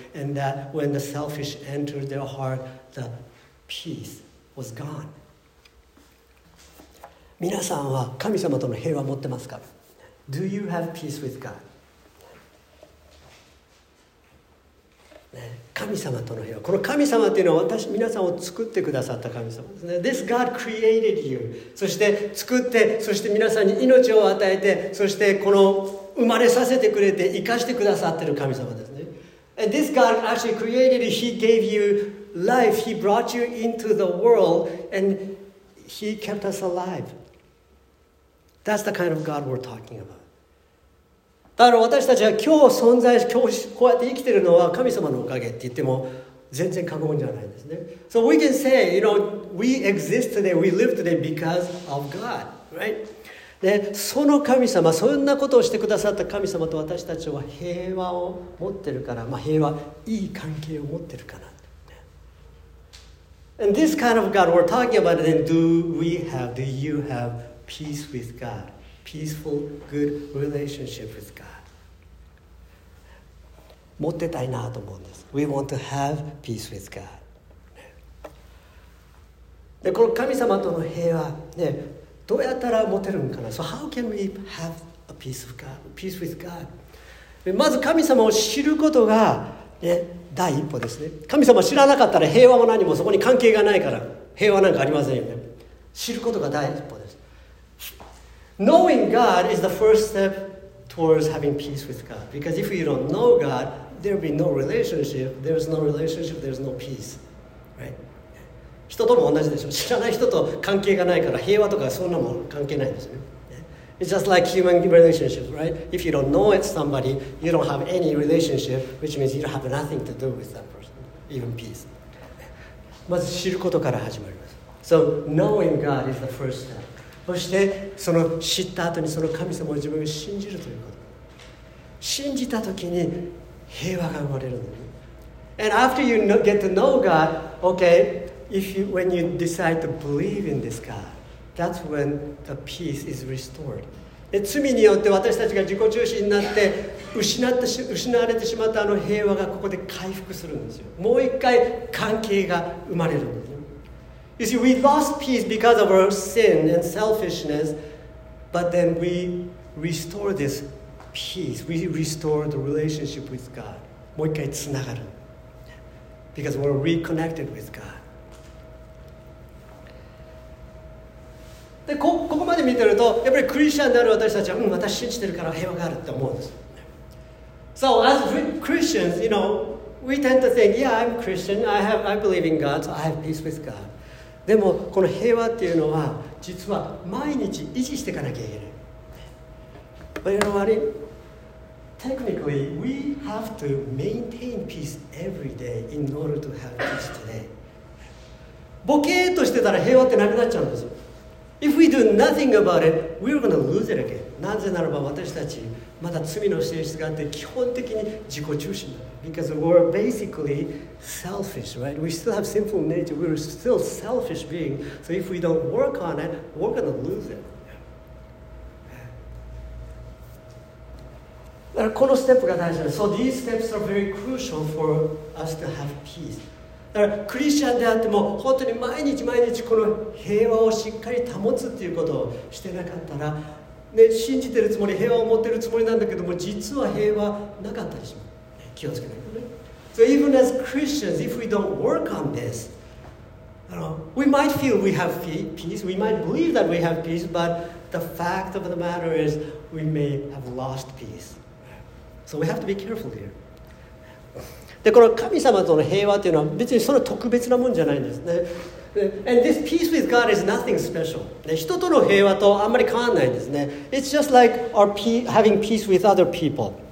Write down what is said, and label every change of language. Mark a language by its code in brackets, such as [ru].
[en] And that when the selfish entered their heart, the peace was gone. [ja] 皆さんは神様との平和を持ってますか? [en] Do you have peace with God? [ja] 神様との平和、この神様というのは私、皆さんを作ってくださった神様ですね。 [en] This God created you. [ja] そして作って、そして皆さんに命を与えて、そしてこの生まれさせてくれて生かしてくださってる神様ですね。 [en] And this God actually created you. He gave you life. He brought you into the world and He kept us alive. That's the kind of God we're talking about. [ja] だから私たちは今日存在し、今日こうやって生きているのは神様のおかげって言っても全然過言じゃないんですね。 [en] So we can say, you know, we exist today, we live today because of God, right? [ja] で、その神様、そんなことをしてくださった神様と私たちは平和を持ってるから、まあ、平和、いい関係を持ってるから。 [en] And this kind of God we're talking about, then do we have, do you have peace with God? Peaceful, good relationship with God. [ja] 持ってたいなと思うんです。 [en] We want to have peace with God. [ja] で、この神様との平和、ね、どうやったら持てるんかな。 [en] So how can we have a peace of God, peace with God? [ja] まず神様を知ることが、ね、第一歩ですね。神様を知らなかったら平和も何もそこに関係がないから、平和なんかありませんよね。知ることが第一歩。 [en] Knowing God is the first step towards having peace with God. Because if you don't know God, there'll be no relationship. There's no relationship, there's no peace. Right? [ja] 人とも同じでしょ。知らない人と関係がないから平和とかそんなもん関係ないんですよ。 [en] It's just like human relationships, right? If you don't know somebody, you don't have any relationship, which means you don't have nothing to do with that person, even peace. [ja] まず知ることから始まります。 [en] So knowing God is the first step. [ja] そしてその知った後にその神様を自分が信じるということ、信じた時に平和が生まれるのね。 [en] And after you get to know God, okay, if you, when you decide to believe in this God, that's when the peace is restored. [ja] で、罪によって私たちが自己中心になって失われてしまったあの平和がここで回復するんですよ。もう一回関係が生まれるのね。 [en] You see, we lost peace because of our sin and selfishness, but then we restore this peace. We restore the relationship with God. [ja] もう一回つながる。 [en] Because we're reconnected with God. [ja] で、ここまで見てると、やっぱりクリスチャンである私たちは、うん、私信じてるから平和があるって思うんです。 [en] So as Christians, you know, we tend to think, yeah, I'm Christian, I believe in God, so I have peace with God. [ja] でも、この平和っていうのは、実は毎日維持していかなきゃいけない。 [en] But you know what? Technically, we have to maintain peace every day in order to have peace today. [ja] ボケーとしてたら平和ってなくなっちゃうんですよ。 [en] If we do nothing about it, we're going to lose it again. [ja] なぜならば私たち、まだ罪の性質があって基本的に自己中心だ。 [en] Because we're basically selfish, right? We still have sinful nature. We're still selfish beings. So if we don't work on it, we're going to lose it. [ja] だからこのステップが大事です。 [en] So these steps are very crucial for us to have peace. [ja] だからクリスチャンであっても本当に毎日毎日この平和をしっかり保つっていうことをしてなかったら、ね、信じてるつもり平和を持ってるつもりなんだけども実は平和なかったりします、ね、気をつけないとね。 [en] So even as Christians, if we don't work on this, we might feel we have peace, we might believe that we have peace, but the fact of the matter is we may have lost peace. So we have to be careful here. [ja] でこの神様との平和というのは別にそんな特別なもんじゃないんですね。 [en] And this peace with God is nothing special. [ja] 人との平和とあんまり変わらないんですね。 [en] It's just like our having peace with other people.